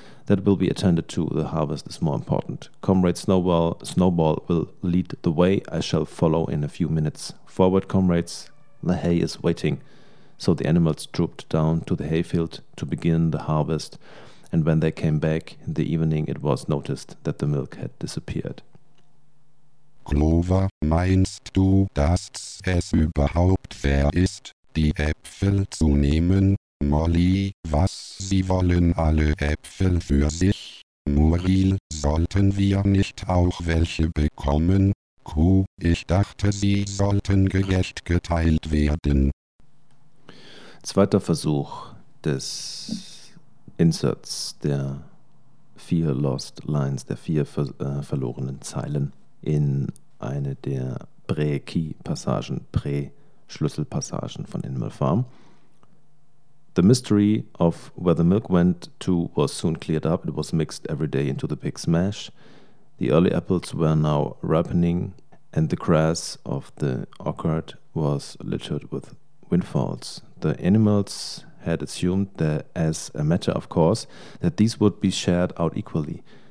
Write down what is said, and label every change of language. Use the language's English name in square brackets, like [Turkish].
[English] "That will be attended to. The harvest is more important. Comrade Snowball will lead the way. I shall follow in a few minutes. Forward, comrades. The hay is waiting." So the animals trooped down to the hayfield to begin the harvest, and when they came back in the evening, it was noticed that the milk had disappeared. [German] "Clover, meinst du, dass es überhaupt fair ist, die Äpfel zu nehmen? Molly, was, sie wollen alle Äpfel für sich? Muriel, sollten wir nicht auch welche bekommen? Kuh, ich dachte, sie sollten gerecht geteilt werden." Zweiter Versuch des Inserts der 4 Lost Lines, der 4 verlorenen Zeilen in eine der Pre-Key-Passagen, Pre-Schlüsselpassagen von Animal Farm. [English] The mystery of where the milk went to was soon cleared up. It was mixed every day into the pig's mash. The early apples were now ripening, and the grass of the orchard was littered with windfalls. The animals had assumed that, as a matter of course, that these would be shared out equally.